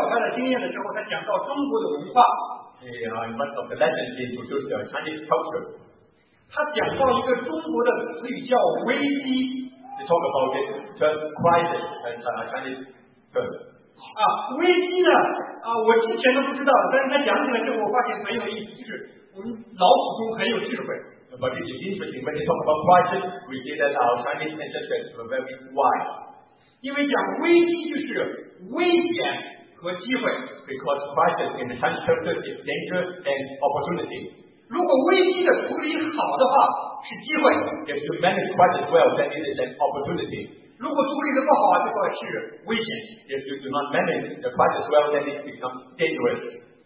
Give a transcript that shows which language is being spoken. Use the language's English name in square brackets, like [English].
[Chinese] 他在我们的一堂课上，他有介绍他的经验的时候，他讲到中国的文化。 [English] In one of the lessons, he introduced the Chinese culture. [Chinese] 他讲到一个中国的词语叫危机。 [English] They talk about it, the crisis in Chinese term. [Chinese] 危机呢，我之前都不知道，但是他讲起来之后，我发现很有意思，就是我们老祖宗很有智慧。 [English] But it is interesting, when you talk about crisis, we see that our Chinese ancestors were very wise. [Chinese] 因为讲危机就是危险和机会。 [English] Because crisis in the Chinese culture is danger and opportunity. [Chinese] 如果危机的处理好的话，是机会。 [English] If you manage crisis well, then it is an opportunity. [Chinese] 如果处理的不好，就会是危险。 [English] If you do not manage the crisis well, then it becomes dangerous.